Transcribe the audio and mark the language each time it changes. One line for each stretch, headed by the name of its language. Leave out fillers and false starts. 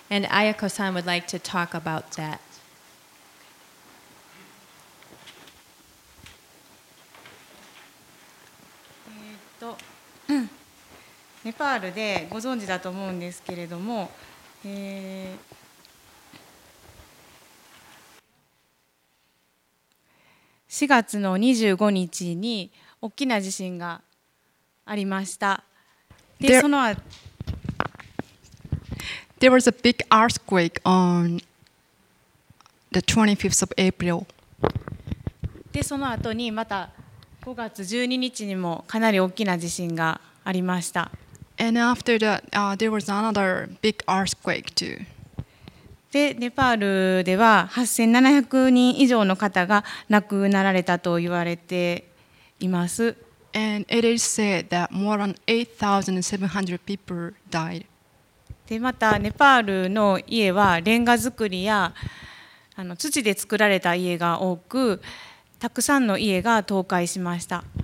English: And Ayako-san would like to talk about that.
Japanese: ネパールでご存知だと思うんですけれども、4月の25日に大きな地震がありました。で、その後、
English: There was a big earthquake on the 25th of April.
Japanese: で、その後にまた5月12日にもかなり大きな地震がありました。
English: And after that, there was another big earthquake too.
Japanese: で、ネパールでは8700人以上の方が亡くなられたと言われています。
English: And it is said that more than 8,700 people died.
Japanese: で、またネパールの家はレンガ造りや土で作られた家が多く、たくさんの家が倒壊しました。